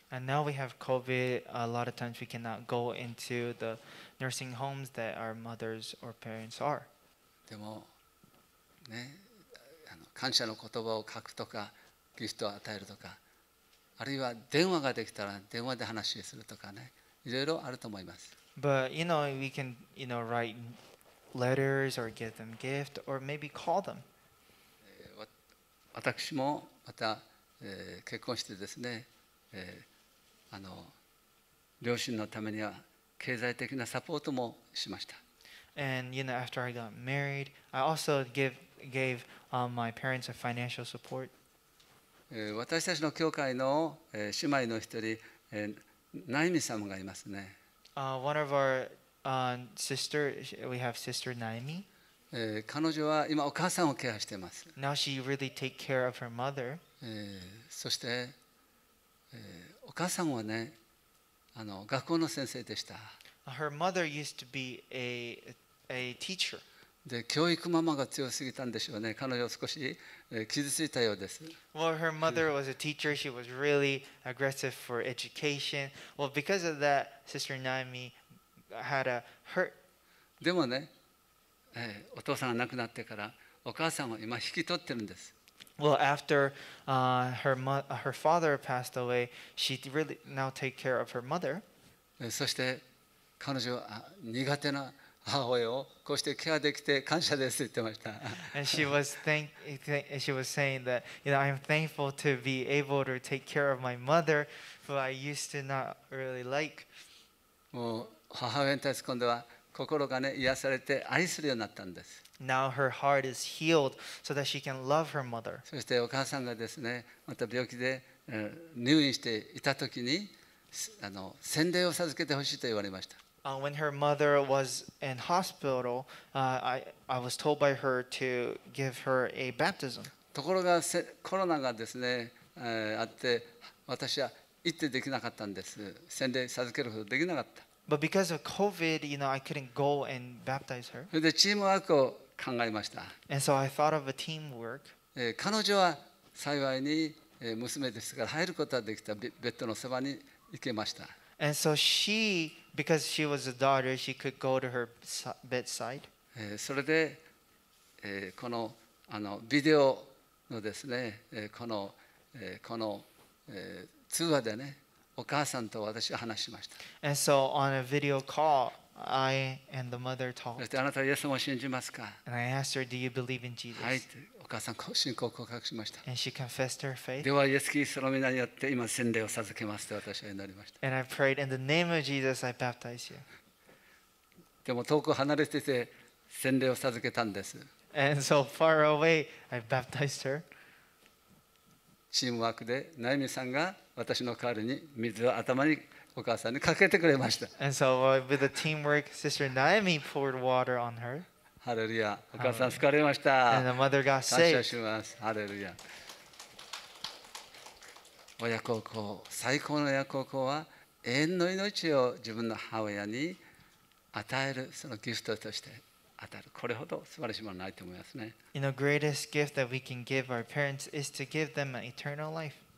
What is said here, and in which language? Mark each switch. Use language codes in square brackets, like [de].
[en] And now we have COVID. A lot of times we cannot go into the nursing homes that our mothers or parents are. [ja] でもね、感謝の言葉を書くとか、ギフトを与えるとか、あるいは電話ができたら電話で話しするとかね、いろいろあると思います。 [en] But you know we can you know write letters or give them gift or maybe call them. [ja] 私もまた、結婚してですね、両親のためには経済的なサポートもしました。 [en] And you know, after I got married, I also gave my parents a financial support. [ja] 私たちの教会の姉妹の一人、ナイミさんがいますね。 [en] One of our sister, we have sister Naomi. [ja] 彼女は今お母さんをケアしてます。 [en] Now she really take care of her mother. [ja] そして、お母さんはね、学校の先生でした。 [en] Her mother used to be a teacher. [ja] で、教育ママが強すぎたんでしょうね。彼女は少し、傷ついたようです。 [en] Well, her mother was a teacher. She was really aggressive for education. Well, because of that, Sister Naomi had a hurt. [ja] でもね、お父さんが亡くなってから、お母さんは今引き取ってるんです。 [en] Well, after her father passed away, she really now take care of her mother. [ja] そして彼女は苦手な母親をこうしてケアできて感謝ですって言ってました。 [en] And she was saying that, you know, I'm thankful to be able to take care of my mother, who I used to not really like. [ja] もう母親に対して今度は心がね癒されて愛するようになったんです。 [en] Now her heart is healed so that she can love her mother. [ja] そしてお母さんがですね、また病気で入院していた時に、洗礼を授けてほしいと言われました。 [en] When her mother was in hospital, I was told by her to give her a baptism. [ja] ところがコロナがですね、あって私は行ってできなかったんです。洗礼授けることできなかった。 [en] But because of COVID, you know, I couldn't go and baptize her. [ja] それでチームワークを考えました。 [en] And so I thought of a teamwork. [ja] 彼女は幸いに娘ですから入ることができた。ベッドのそばに行けました。 [en] And so she, because she was a daughter, she could go to her bedside. [ja] それで、この、ビデオのですね、この、この、通話でね、お母さんと私は話しました。 [en] And so on a video call, I and the mother talked. [ja] そしてあなたはイエスを信じますか? [en] And I asked her, "Do you believe in Jesus?" [ja] はい。お母さん信仰を告白しました。 [en] And she confessed her faith. [ja] ではイエスキリストの名によって今洗礼を授けますと私は祈りました。 [en] And I prayed in the name of Jesus, I baptize you. [ja] でも遠く離れてて洗礼を授けたんです。 [en] And so far away, I baptized her. [ja] チームワークでナイミさんが私の代わりに水を頭にお母さんにかけてくれました。 [en] And so, with the teamwork, Sister Naomi poured water on her. [ja] ハレルヤ、お母さん救われました。 [en] And the mother got saved. [ja] 感謝します。ハレルヤ。親孝行、最高の親孝行は永遠の命を自分の母親に与えるそのギフトとして。これほど素晴らしいものないと思いますね。 [en] You know, greatest gift that we can give our parents is to give them an eternal life.